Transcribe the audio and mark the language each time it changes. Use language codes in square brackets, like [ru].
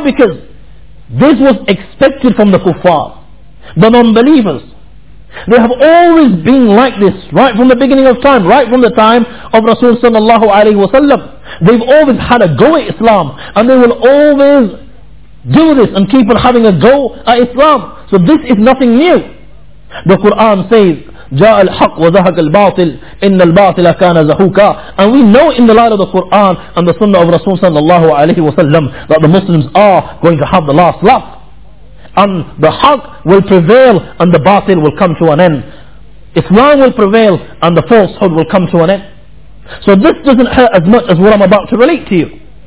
[en] Because this was expected from the kuffar, the non-believers. They have always been like this, right from the beginning of time, right from the time of Rasul sallallahu alayhi wasallam. They've always had a go at Islam, and they will always do this and keep on having a go at Islam. So this is nothing new. The Quran says, [ar] جَاءَ الْحَقْ وَزَهَقَ الْبَاطِلِ إِنَّ الْبَاطِلَ كَانَ زَهُوكًا. [en] And we know in the light of the Quran and the Sunnah of Rasul sallallahu alayhi wasallam that the Muslims are going to have the last laugh, and the Haqq will prevail and the Baatil will come to an end. Islam will prevail and the falsehood will come to an end. So this doesn't hurt as much as what I'm about to relate to you.